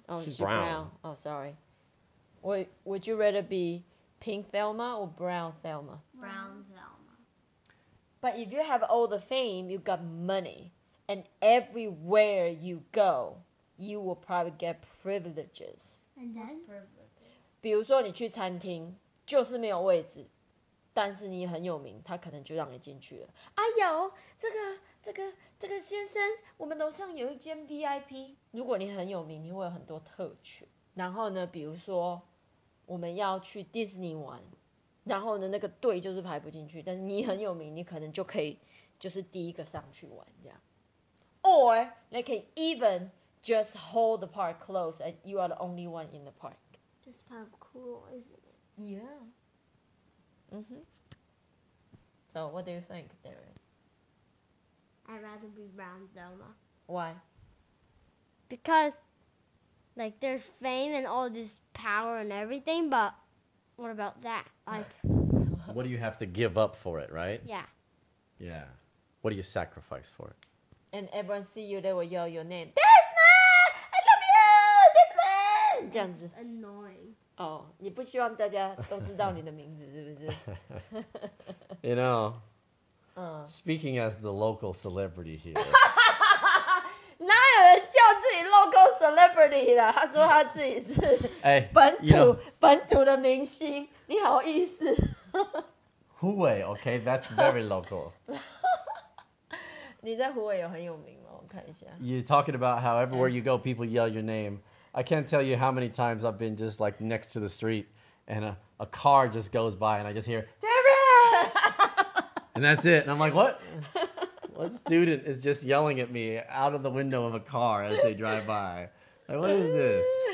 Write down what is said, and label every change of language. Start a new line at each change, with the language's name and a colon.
English: Oh, she's brown. Oh, sorry. Would you rather be Pink Thelma or Brown Thelma? Brown Thelma. But if you have all the fame, you got money. And everywhere you go, you will probably get privileges. And then? Privileges.
Chinese: 比如说你去餐厅，就是没有位置，但是你很有名，他可能就让你进去了。哎呦，这个先生，我们楼上有一间 VIP。如果你很有名，你会有很多特权。然后呢，比如说我们要去 Disney 玩，然后呢那个队就是排不进去，但是你很有名，你可能就可以就是第一个上去玩这样。
English: Or they can even just hold the park closed and you are the only one in the park. That's kind of cool, isn't it? Yeah. Mm-hmm. So what do you think, Darren? I'd rather be Brown Thelma. Why? Because, like, there's fame and all this power and everything, but what about that? Like, what do you have to give up for it, right? Yeah. Yeah. What do you sacrifice for it? And everyone see you, they will yell your name. This man! I love you! This man!
Chinese: 这样子。
English: Annoying.
Chinese: 哦，你不希望大家都知道你的名字，是不是？
English: You know, speaking as the local celebrity here.
Chinese: 哪有人叫自己 local celebrity 啦？他说他自己是本土的明星，你好意思？
English: Huawei, okay, that's very local.
Chinese: 你在湖北有很有名吗？我看一下。
English: You're talking about how everywhere you go, people yell your name. I can't tell you how many times I've been just like next to the street and a car just goes by and I just hear, Darren! And that's it. And I'm like, what? What student is just yelling at me out of the window of a car as they drive by? Like, what is this?